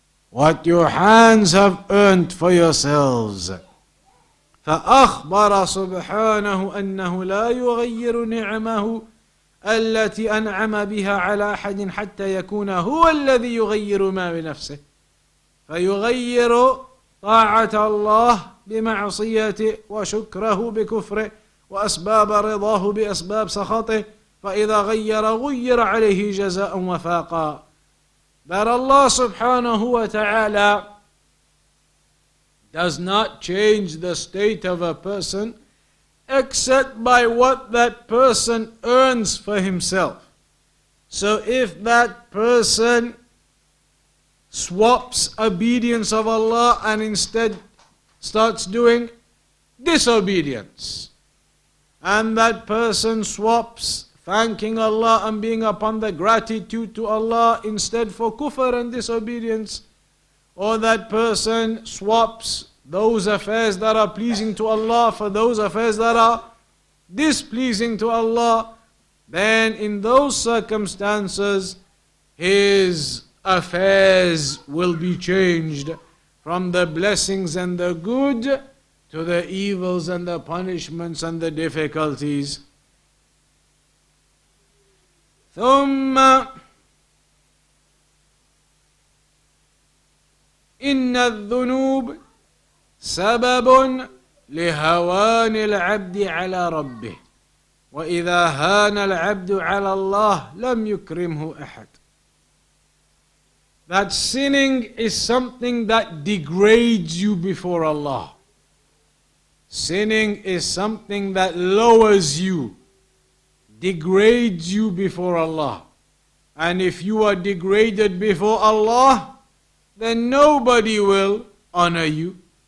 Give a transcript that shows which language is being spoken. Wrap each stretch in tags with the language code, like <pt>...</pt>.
<en>What your hands have earned for yourselves.</en> <ar>فأخبر سبحانه أنه لا يغير نعمه التي أنعم بها على أحد حتى يكون هو الذي يغير ما بنفسه. فيغير طاعة الله بمعصيته وشكره بكفره وأسباب رضاه بأسباب سخطه. فإذا غير غير عليه جزاء وفاقا.</ar> <en>That Allah subhanahu wa ta'ala does not change the state of a person except by what that person earns for himself. So if that person swaps obedience of Allah and instead starts doing disobedience, and that person swaps thanking Allah and being upon the gratitude to Allah instead for kufr and disobedience, or that person swaps those affairs that are pleasing to Allah for those affairs that are displeasing to Allah, then in those circumstances, his affairs will be changed from the blessings and the good to the evils and the punishments and the difficulties.</en> <ar>ثم إن الذنوب سبب لهوان العبد على ربه وإذا هان العبد على الله لم يكرمه أحد.</ar> <en>That sinning is something that degrades you before Allah. Sinning is something that lowers you, degrades you before Allah. And if you are degraded before Allah, then nobody will honor you.</en>